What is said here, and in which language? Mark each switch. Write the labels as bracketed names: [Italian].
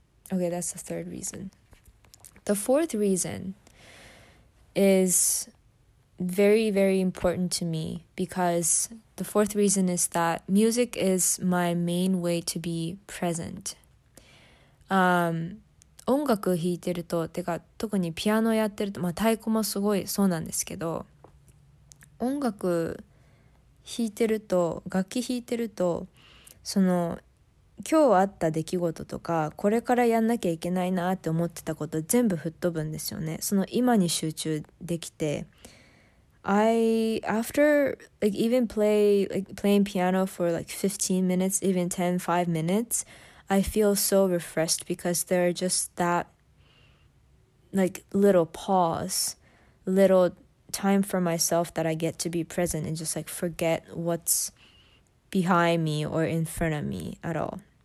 [English] Okay, that's the third reason. The fourth reason is very, very important to me, because the fourth reason is that music is my main way to be present. [Japanese] 音楽を弾いてると、てか特にピアノをやってると、まあ太鼓もすごいそうなんですけど、音楽弾いてると、楽器弾いてると、その今日あった出来事とか、これからやんなきゃいけないなって思ってたこと全部吹っ飛ぶんですよね。その今に集中できて、 [English] playing piano for like 15 minutes, even 10, 5 minutes,I feel so refreshed because there are just that like little pause, little time for myself that I get to be present and just like forget what's behind me or in front of me at all.